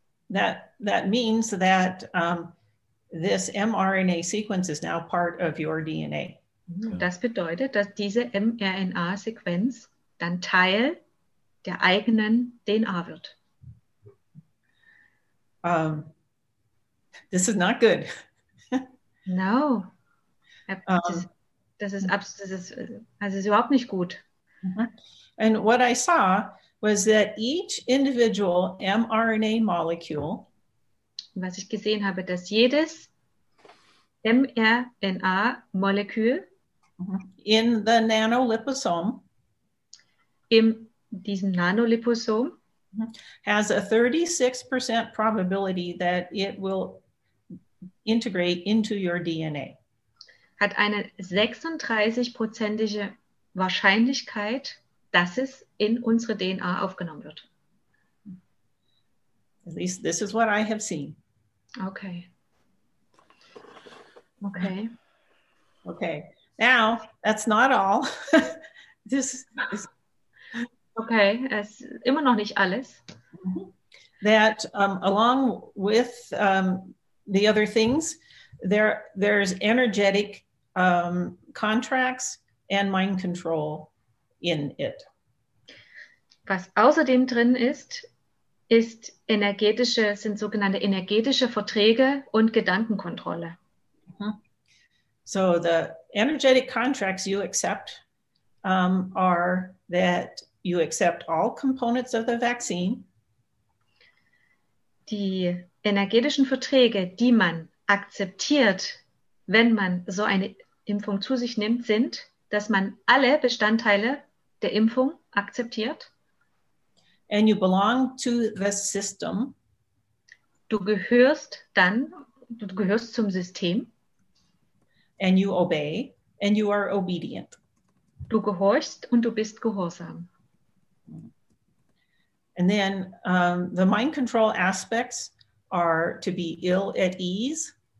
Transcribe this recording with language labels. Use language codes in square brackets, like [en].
[en] That means that this mRNA sequence is now part of your DNA. [de] Das bedeutet, dass diese mRNA-Sequenz dann Teil der eigenen DNA wird. [en] This is not good. No. [de] Das ist überhaupt nicht gut. [en] And what I saw was that each individual mRNA molecule, [de] was ich gesehen habe, dass jedes mRNA-Molekül [en] in the nanoliposome, [de] in diesem Nanoliposom, [en] has a 36% probability that it will integrate into your DNA. [de] Hat eine 36-prozentige Wahrscheinlichkeit, dass es in unsere DNA aufgenommen wird. [en] At least this is what I have seen. Okay. Okay. Okay. Now, that's not all. This is [de] okay, es immer noch nicht alles. [en] That along with the other things, there's energetic contracts and mind control in it. [de] Was außerdem drin ist, ist energetische, sind sogenannte energetische Verträge und Gedankenkontrolle. [en] So the energetic contracts you accept are that you accept all components of the vaccine. [de] Die energetischen Verträge, die man akzeptiert, wenn man so eine Impfung zu sich nimmt, sind, dass man alle Bestandteile der Impfung akzeptiert. [en] And you belong to the system. [de] Du gehörst zum System. [en] And you obey, and you are obedient. [de] Du gehorchst und du bist gehorsam. [en] And then the mind control aspects are to be ill at ease.